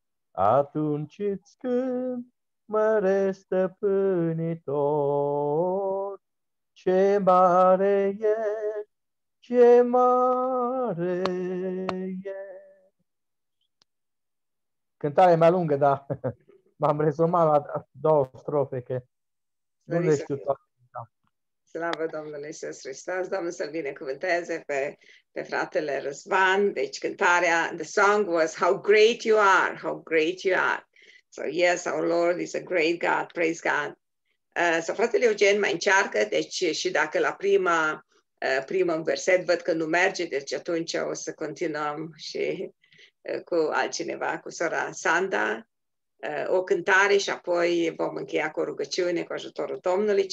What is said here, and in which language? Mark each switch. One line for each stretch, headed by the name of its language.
Romanian: Atunci îți cânt, mare stăpânitor, ce mare e, ce mare e. Cântarea e mai lungă, dar m-am rezumat la două strofe, că nu le știu toate. Slavă Domnului Iisus Hristos, Domnul să-L binecuvânteze pe fratele Răzvan. Deci cântarea,
English: the song was How Great You Are, How Great You Are. So yes, our Lord is a great God, praise God.
Romanian: So fratele Eugen mai încearcă, deci și dacă la primul verset văd că nu merge, deci atunci o să continuăm și cu altcineva, cu sora Sanda, o cântare și apoi vom încheia cu o rugăciune, cu ajutorul Domnului.